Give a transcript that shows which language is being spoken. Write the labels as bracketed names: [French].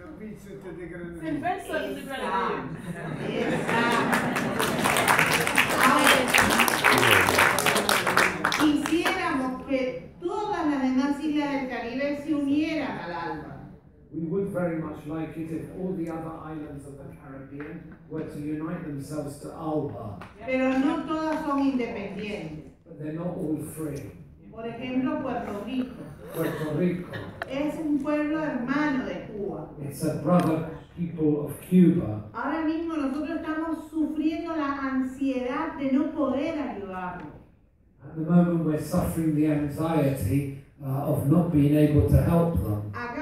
[Spanish] Quisiéramos que todas las demás islas del Caribe se unieran al ALBA. [English] We would very much like it if all the other islands of the Caribbean were to unite themselves to ALBA. [Spanish] Pero no todas son independientes. [English] But they're not all free. [Spanish] Por ejemplo, Puerto Rico. [English] Puerto Rico. [Spanish] Es un pueblo hermano de Cuba. [English] It's a brother people of Cuba. [Spanish] Ahora mismo nosotros estamos sufriendo la ansiedad de no poder ayudarlo. [English] At the moment we're suffering the anxiety of not being able to help them.